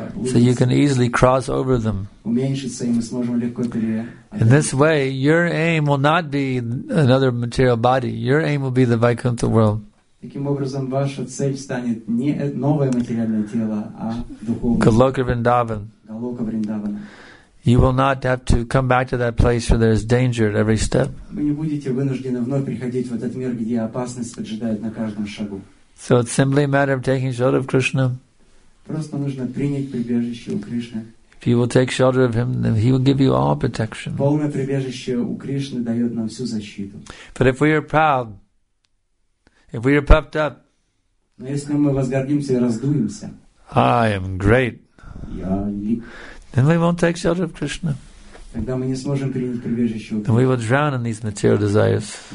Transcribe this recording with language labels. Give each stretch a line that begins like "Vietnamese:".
English: So you can easily cross over them. In this way, your aim will not be another material body. Your aim will be the Vaikuntha world.
Russian: Таким образом, ваша цель станет не новое материальное тело, а духовное. Галока Вриндаван. Галока Вриндаван.
English: You will not have to come back to that place where there is danger at every step.
Russian: Вы не будете вынуждены вновь приходить в этот мир, где опасность поджидает на каждом шагу.
English: So it's simply a matter of taking shelter of Krishna.
Russian: Просто нужно принять прибежище у Кришны.
English: If you will take shelter of Him, then He will give you all protection.
Russian: Полное прибежище у Кришны дает нам всю защиту.
English: But if we are proud, if we are puffed up, I am great, then we won't take shelter of Krishna. Then we will drown in these material desires.